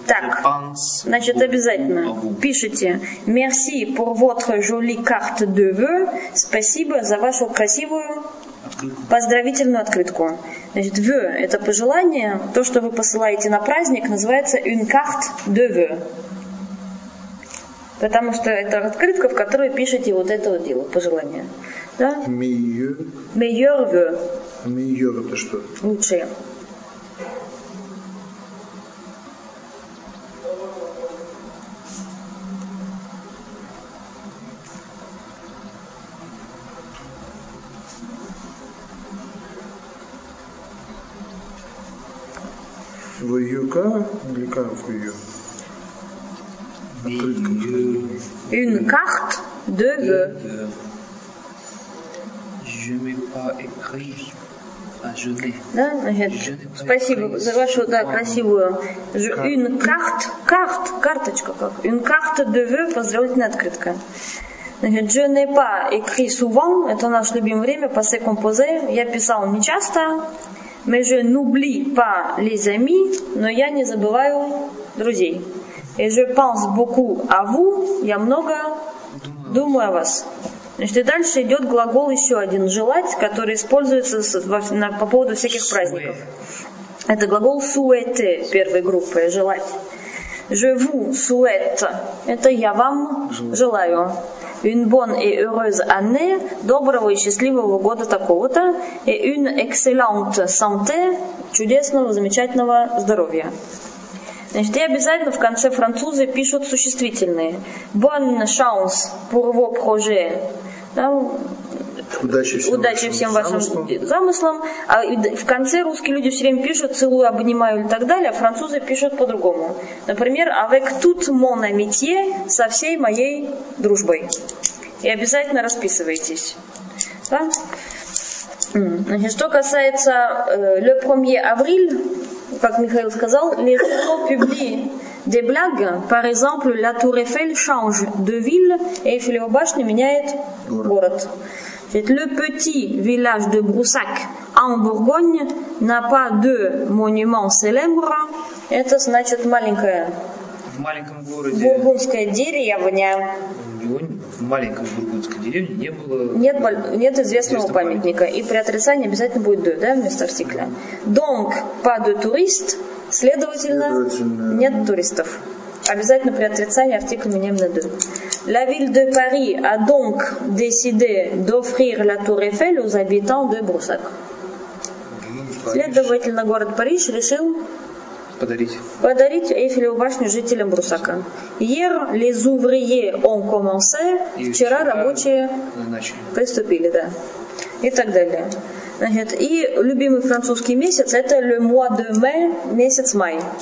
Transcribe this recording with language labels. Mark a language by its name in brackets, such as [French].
[Russian] Так, значит, обязательно пишите [French] «Merci pour votre jolie carte de vœux». [Russian] Спасибо за вашу красивую поздравительную открытку. Значит, «vœu» – это пожелание. То, что вы посылаете на праздник, называется [French] «une carte de vœux». [Russian] Потому что это открытка, в которой пишете вот это вот дело, пожелание. Да? [French] Meilleur vœux. [Russian] Meilleur – это что? Лучшее. В юка или как в ее? Открытка. [French] Une carte de vœux. Je n'ai pas écrit. [Russian] Да, значит, спасибо за вашу, да, красивую. [French] Une carte, [Russian] карточка как. [French] Une carte de vœux, [Russian] поздравительная открытка. Значит, [French] je n'ai pas écrit souvent, [Russian] это наше любимое время, [French] passé composé. [Russian] Я писал нечасто. [French] Mais je n'oublie pas les amis, [Russian] но я не забываю друзей. [French] Et je pense beaucoup à vous, [Russian] я много думаю о вас. Значит, и дальше идет глагол еще один, желать, который используется по поводу всяких праздников. Это глагол souhaiter, первой группы, желать. [French] Je vous souhaite, [Russian] это я вам желаю. [French] Une bonne et heureuse année, [Russian] доброго и счастливого года такого-то. [French] Et une excellente santé, [Russian] чудесного, замечательного здоровья. Значит, и обязательно в конце французы пишут существительные. [French] Bonne chance pour vos projets. [Russian] Да? Удачи всем вашим замыслам. А в конце русские люди все время пишут «целую, обнимаю» и так далее, а французы пишут по-другому. Например, [French] «avec tout mon amitié» [Russian] – «со всей моей дружбой». И обязательно расписывайтесь. Да? Значит, что касается [French] «le 1er avril», [Russian] как Михаил сказал, [French] «les journaux publient des blagues, par exemple, la tour Eiffel change de ville, [Russian] Эйфелева башня меняет город». [French] Le petit village de Broussac en Bourgogne n'a pas de monument célèbre. [Russian] Это значит маленькое. В маленьком городе. Бургундская деревня. В маленькой бургундской деревне не было. Нет известного памятника. И при отрицании обязательно будет «de», да, вместо артикля. [French] Donc, pas de touristes. [Russian] Следовательно, нет туристов. Обязательно при отрицании артикль меняем на «de». [French] La ville de Paris a donc décidé d'offrir la tour Eiffel aux habitants de Broussac. [Russian] Следовательно, город Париж решил подарить Эйфелеву башню жителям Брусака. [French] Hier les ouvriers ont commencé, [Russian] вчера рабочие приступили, да, и так далее. Значит, и любимый французский месяц – это [French] le mois de mai, [Russian] месяц май.